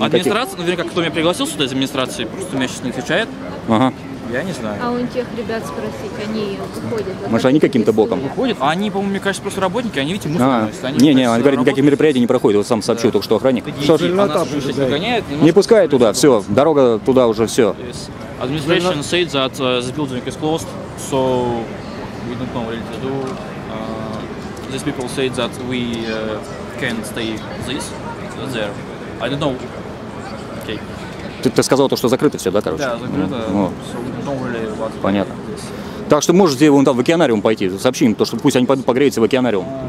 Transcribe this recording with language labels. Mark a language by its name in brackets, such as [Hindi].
[Russian] Администрация, ну, вернее, кто меня пригласил сюда из администрации, просто меня сейчас не отвечает. Ага. Я не знаю. А у тех ребят спросить, они выходят. Может, они каким-то боком? Выходят? А они, по-моему, мне кажется, просто работники, они, видите, мусорные. Не-не, они говорят, никаких мероприятий не проходят. Вот сам сообщу, да, только что охранник. Что ж, она же сейчас не гоняет. Не пускает туда, все, дорога туда уже, все. [English] Administration said that the building is closed, so we don't know what to do. These people said that we can't stay this, there. I don't know. Okay. [Russian] Ты сказал то, что закрыто все, да, короче? Да, закрыто. Ну, вот. Понятно. Так что можете вон там в океанариум пойти, сообщи им, то, что пусть они пойдут погреются в океанариум.